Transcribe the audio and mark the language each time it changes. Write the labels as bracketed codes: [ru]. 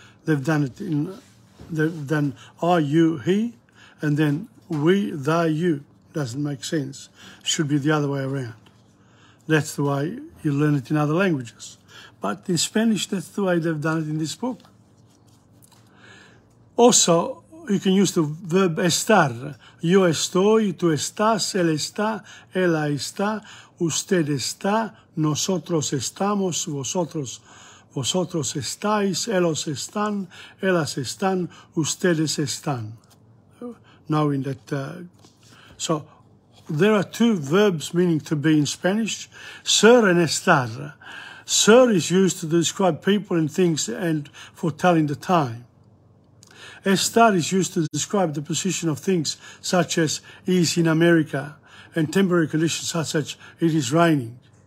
[en] They've done it in, they've done I, you, he, and then we, they, you. Doesn't make sense. Should be the other way around. That's the way you learn it in other languages. But in Spanish, that's the way they've done it in this book. Also, you can use the verb estar. [es] Yo estoy, tú estás, él está, ella está, usted está, nosotros estamos, vosotros estáis, ellos están, ellas están, ustedes están. [en] Knowing that, so there are two verbs meaning to be in Spanish, ser and estar. Ser is used to describe people and things and for telling the time. Estar is used to describe the position of things such as is in America and temporary conditions such as it is raining.